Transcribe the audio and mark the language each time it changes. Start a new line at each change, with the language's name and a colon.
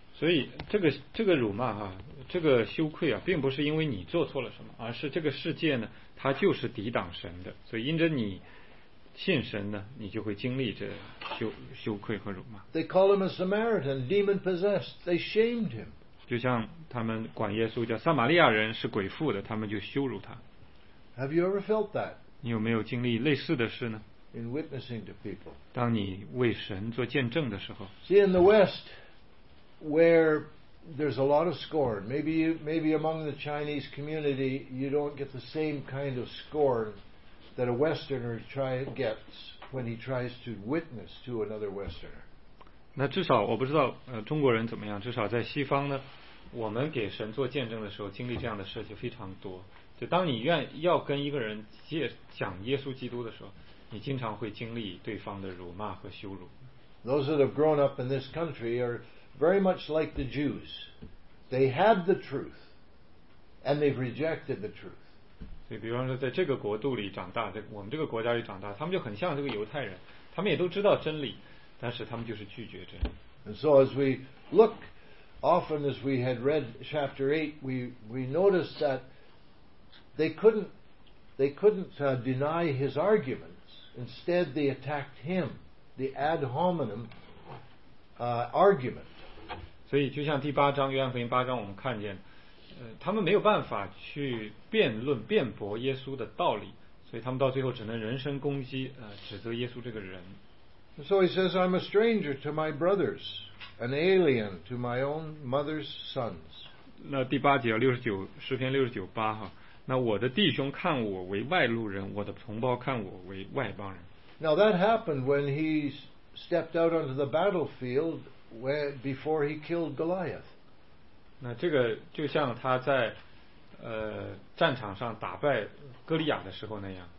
Chinese: 所以这个辱骂啊，这个羞愧啊，并不是因为你做错了什么，而是这个世界呢，它就是抵挡神的，所以因着你。信神呢，你就会经历这羞愧和辱骂。
English: They call him a Samaritan, demon possessed. They shamed him.
Chinese: 就像他们管耶稣叫撒玛利亚人是鬼附的，他们就羞辱他。
English: Have you ever felt that?
Chinese: 你有没有经历类似的事呢
English: ？In witnessing to people.
Chinese: 当你为神做见证的时候。
English: See in the West, where there's a lot of scorn. Maybe among the Chinese community, you don't get the same kind of scorn. That a Westerner gets when he tries to witness to another Westerner.
Chinese: 那至少我不知道中国人怎么样。至少在西方呢，我们给神做见证的时候，经历这样的事情非常多。就当你愿要跟一个人讲耶稣基督的时候，你经常会经历对方的辱骂和羞辱。
English: those that have grown up in this country are very much like the Jews. They had the truth, and they've rejected the truth.
Chinese: 所以比方说在这个国度里长大，我们这个国家里长大，他们就很像这个犹太人，他们也都知道真理，但是他们就是拒绝真理。
English: And so as we look, often as we had read chapter 8, we noticed that they couldn't deny his arguments. Instead, they attacked him, the ad hominem argument.
Chinese: 所以就像第八章，约翰福音八章，我们看见，他们没有办法去辩论、辩驳耶稣的道理，所以他们到最后只能人身攻击，指责耶稣这个人。
English: So he says, I'm a stranger to my brothers, an alien to my own mother's sons.
Chinese: 那第八节诗篇六十九八哈，那我的弟兄看我为外路人，我的同胞看我为外邦人。
English: Now that happened when he stepped out onto the battlefield before he killed Goliath.
Chinese: 那这个就像他在战场上打败哥利亚的时候那样。